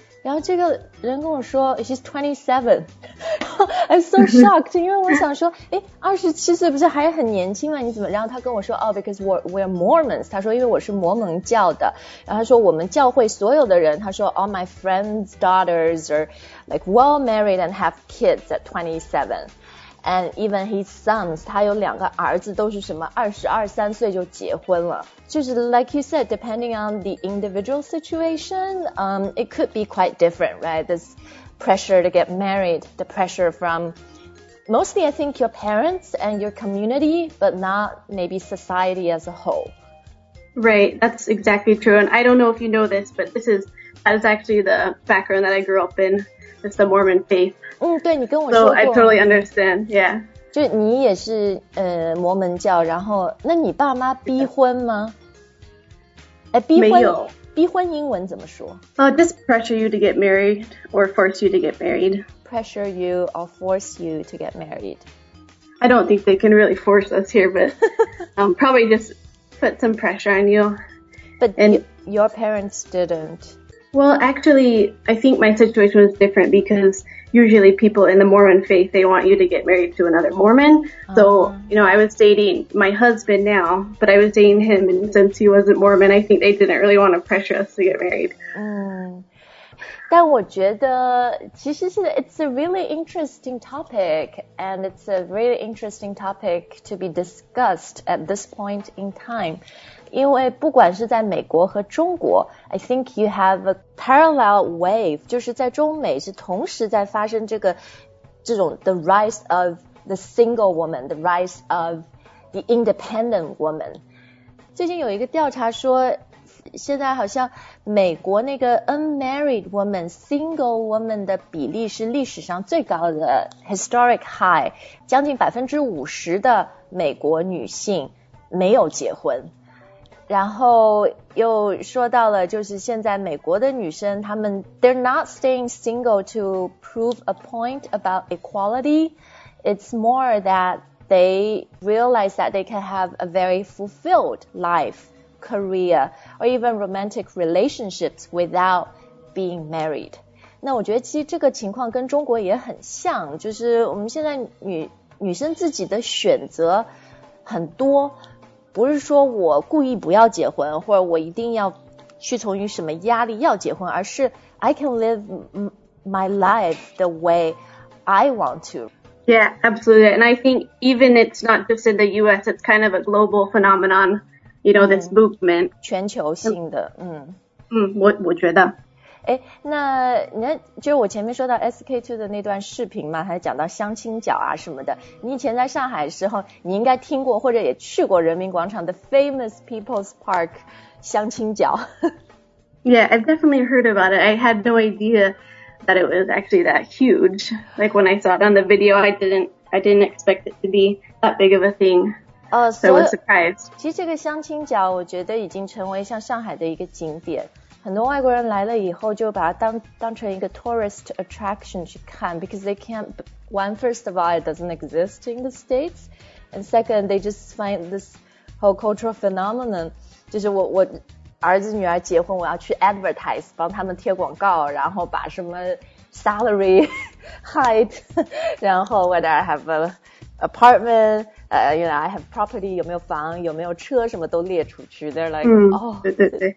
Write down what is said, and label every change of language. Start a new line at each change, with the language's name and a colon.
Chinese: 然后这个人跟我说 ，
English: She's 27. I'm so shocked,
Chinese: 因为我想说，哎，27岁不是还很年轻吗？你怎么？然后他跟我说，哦 ，
English: because we're Mormons.
Chinese: 他说，因为我是摩门教的。然后他说，我们教会所有的人，他说
English: ，all my friends' daughters are like well married and have kids at 27. And even his sons,
Chinese: 他有两个儿子都是什么22、23岁就结婚了。就是
English: like you said, depending on the individual situation, it could be quite different, right? This pressure to get married, the pressure from mostly I think your parents and your community, but not maybe society as a whole. Right, that's exactly true. And I don't know if you know this, but that is actually the background that I grew up in. It's the Mormon faith.
Chinese: 嗯，对，你跟我说过。
English: So I totally understand, yeah.
Chinese: 就你也是摩门教，然后那你爸妈逼婚吗？哎，逼婚没有，逼婚英文怎么说？
English: Just pressure you to get married or force you to get married. Pressure you or force you to get married. I don't think they can really force us here, but probably just put some pressure on you. But your parents didn't. Well, actually, I think my situation was different because. Usually people in the Mormon faith, they want you to get married to another Mormon. So, you know, I was dating my husband now, but I was dating him. And since he wasn't Mormon, I think they didn't really want to pressure us to get married.
Chinese: 嗯，但我觉得其实是
English: it's a really interesting topic. And it's a really interesting topic to be discussed at this point in time.
Chinese: 因为不管是在美国和中国
English: I think you have a parallel wave,
Chinese: 就是在中美是同时在发生这个这种
English: the rise of the single woman, the rise of the independent woman.
Chinese: 最近有一个调查说现在好像美国那个 unmarried woman, single woman 的比例是历史上最高的
English: historic high,
Chinese: 将近 50% 的美国女性没有结婚。然后又说到了就是现在美国的女生她们
English: they're not staying single to prove a point about equality. It's more that they realize that they can have a very fulfilled life, career, or even romantic relationships without being married.
Chinese: 那我觉得其实这个情况跟中国也很像就是我们现在 女生自己的选择很多不是说我故意不要结婚或者我一定要屈从于什么压力要结婚而是
English: I can live my life the way I want to. Yeah, absolutely. And I think even it's not just in the US, it's kind of a global phenomenon, you know, this movement.
Chinese: 全球性的我觉得。诶那你看就是我前面说到 SK2 的那段视频嘛还讲到相亲角啊什么的你以前在上海的时候你应该听过或者也去过人民广场的 Famous People's Park 相亲角
English: Yeah, I've definitely heard about it. I had no idea that it was actually that huge. Like when I saw it on the video, I didn't expect it to be that big of a thing. So I was surprised.
Chinese: 其实这个相亲角我觉得已经成为像上海的一个景点。很多外国人来了以后就把它 当成一个
English: tourist attraction 去看 because they can't, one, first of all, it doesn't exist in the States, and second, they just find this whole cultural phenomenon,
Chinese: 就是 我儿子女儿结婚我要去
English: advertise,
Chinese: 帮他们贴广告然后把什么
English: salary, height, 然后 whether I have an apartment,you know, I have property,
Chinese: 有没有房有没有车什么都列出去
English: They're like,